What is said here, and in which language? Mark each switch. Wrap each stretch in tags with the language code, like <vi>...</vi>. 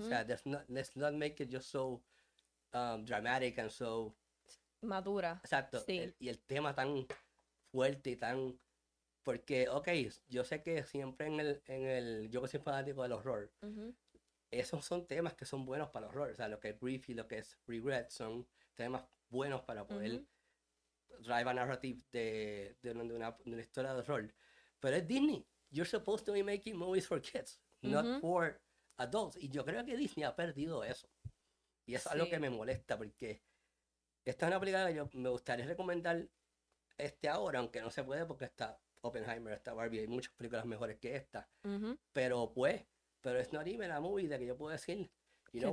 <es>O sea,</es> <en>let's not make it just so dramatic and so...</en> <es>Madura. Exacto. Sí. Y el tema tan fuerte y tan... Porque, okay, yo sé que siempre en el... Yo que soy fanático del horror. Mm-hmm. Esos son temas que son buenos para el horror. O sea, lo que es grief y lo que es regret son temas buenos para poder... Mm-hmm.</es> <en>Drive a narrative</en> <es>de una historia de horror. Pero es Disney.</es> <en>You're supposed to be making movies for kids, not mm-hmm. for adults.</en> <es>Y yo creo que Disney ha perdido eso. Y eso sí. Es algo que me molesta, porque esta es una película que yo me gustaría recomendar ahora, aunque no se puede porque está Oppenheimer, está Barbie, hay muchas películas mejores que esta. Mm-hmm. Pero es</es> <en>not even a movie</en> <es>de que yo puedo decir,</es> <en>you know</en>